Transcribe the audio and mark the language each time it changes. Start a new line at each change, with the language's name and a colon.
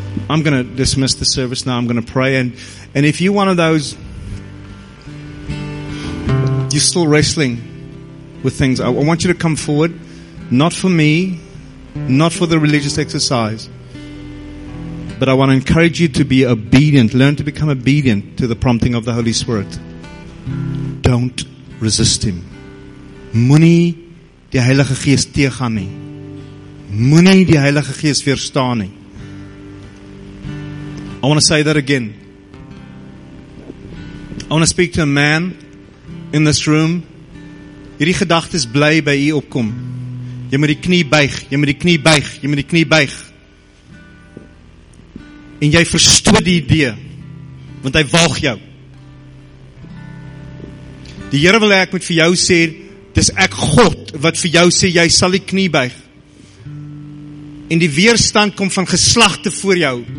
English: I'm going to dismiss the service now. I'm going to pray. And if you're one of those, you're still wrestling with things, I want you to come forward. Not for me. Not for the religious exercise. But I want to encourage you to be obedient. Learn to become obedient to the prompting of the Holy Spirit. Don't resist Him.
Afrikaans: Moenie die Heilige Gees teëgaan nie. Moenie die Heilige Gees weerstaan nie.
English: I want to say that again. I want to speak to a man in this room.
Afrikaans: Hierdie gedagtes bly by u opkom. Jy moet die knie buig. Jy moet die knie buig. Jy moet die knie buig. En jy verstoot die idee. Want hy waag jou. Die Here wil hê ek moet vir jou sê, dis ek God wat vir jou sê, jy sal die knie buig. En die weerstand kom van geslagte voor jou.